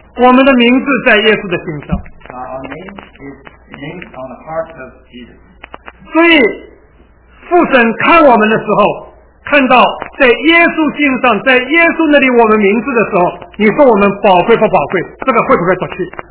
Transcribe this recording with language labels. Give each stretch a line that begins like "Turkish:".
Chinese: 我们的名字在耶稣的心上。
English: Our name is named on the heart of Jesus.
Chinese: 所以父神看我们的时候，看到在耶稣心上，在耶稣那里我们名字的时候，你说我们宝贵不宝贵，这个会不会夺去？